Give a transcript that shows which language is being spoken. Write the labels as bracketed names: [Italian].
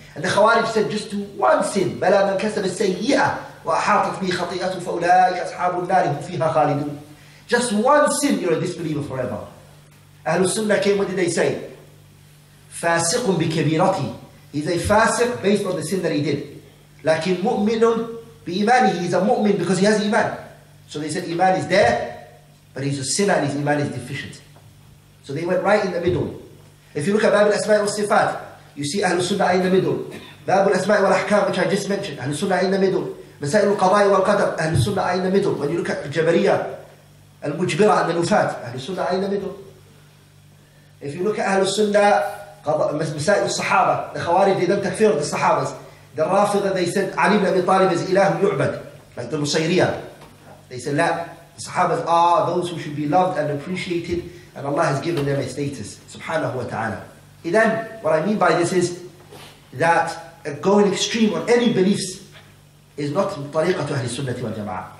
[Arabic] الخوارج [English] said just one sin, [Arabic] بلا من كسب السيئة وأحاطت به خطيئته فأولئك أصحاب النار هم فيها خالدون. [English] Just one sin, you're a disbeliever forever. أهل السنة came, what did they say? [Arabic] فاسق بكبيرتي. [English] He's a fasiq based on the sin that he did. [Arabic] لكن مؤمن بإيمانه. [English] He's a mu'min because he has iman. So they said iman is there, but he's a sinner and his iman is deficient. So they went right in the middle. If you look at باب الأسماء والصفات, you see أهل السنة in the middle. باب الأسماء والأحكام, which I just mentioned, أهل السنة in the middle. [Arabic] مسائل القضاء والقدر, أهل السنة [English] in the middle. When you look at [Arabic] الجبرية المجبرة عند الوفاة, [English] أهل السنة in the middle. If you look at أهل السنة, مسائل الصحابة, the خوارج, they didn't تكفير the الصحابة. [Arabic] The رافضة, [English] they said, [Arabic] علي بن أبي طالب is إله يعبد. [English] Like the نصيرية. They said, لا, the صحابة are those who should be loved and appreciated, and Allah has given them a status. [Arabic] سبحانه وتعالى. [English] Then, what I mean by this is that going extreme on any beliefs is not [Arabic] طريقة أهل السنة والجماعة.